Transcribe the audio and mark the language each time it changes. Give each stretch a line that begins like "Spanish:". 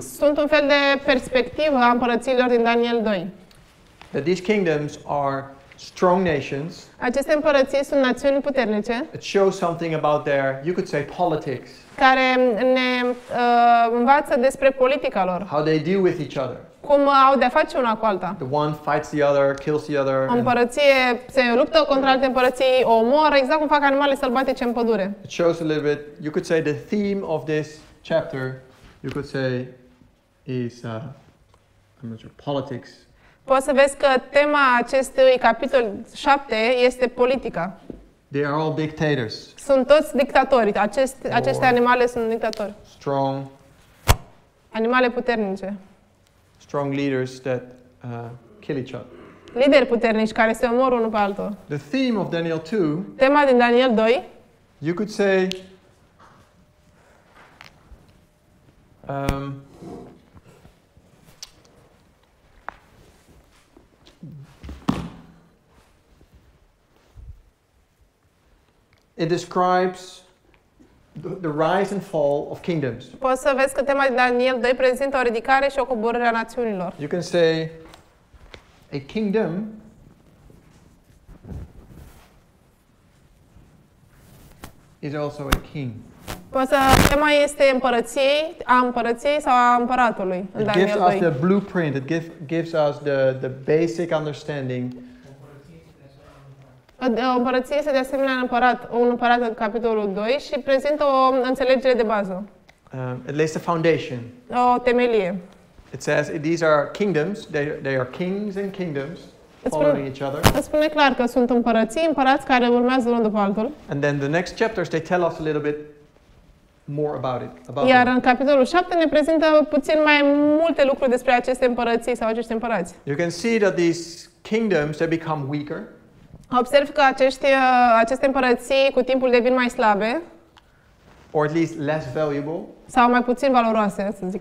Romanian: Sunt un fel de perspectivă a împărățiilor din Daniel 2.
English: That these kingdoms are strong nations.
Romanian: Aceste împărății sunt națiuni puternice.
English: It shows something about their, you could say, politics.
Romanian: Care ne învață despre politica lor.
English: How they deal with each other.
Romanian: Cum au de-a face una cu alta.
English: The one fights the other, kills the other.
Romanian: O împărăție se luptă contra alte împărății, o omoară, exact cum fac animalele sălbatice în pădure.
English: It shows a little bit, you could say, the theme of this chapter, you could say, is I'm not sure, politics.
Romanian: Poți să vezi că tema acestui capitol 7 este politica.
English: They are all dictators.
Romanian: Sunt toți dictatori. Aceste animale sunt dictatori.
English: Strong.
Romanian: Animale puternice.
English: Strong leaders that kill each other.
Romanian: Lideri puternici care se omor unul pe altul.
English: The theme of Daniel 2.
Romanian: Tema din Daniel 2.
English: You could say, it describes the rise and fall of kingdoms.
Romanian: Poți să vezi că tema din Daniel 2 prezintă o ridicare și o coborâre a națiunilor.
English: You can say a kingdom is also a king.
Romanian: Poți să tema este împărăției, a împărăției sau a împăratului în Daniel 2.
English: It gives us the blueprint, it gives us the basic understanding.
Romanian: O împărăție este de asemenea un împărat în capitolul 2 și prezintă o înțelegere de bază.
English: It lays the foundation.
Romanian: O temelie.
English: It says these are kingdoms, they are kings and kingdoms following each other.
Romanian: Îți spune clar că sunt împărății, împărați care urmează unul după altul.
English: And then the next chapters they tell us a little bit more about it.
Romanian: Iar în capitolul 7 ne prezintă puțin mai multe lucruri despre aceste împărății sau acești împărați.
English: You can see that these kingdoms they become weaker.
Romanian: Observ că aceste împărății cu timpul devin mai slabe.
English: Or at least less valuable.
Romanian: Sau mai puțin valoroase, să zic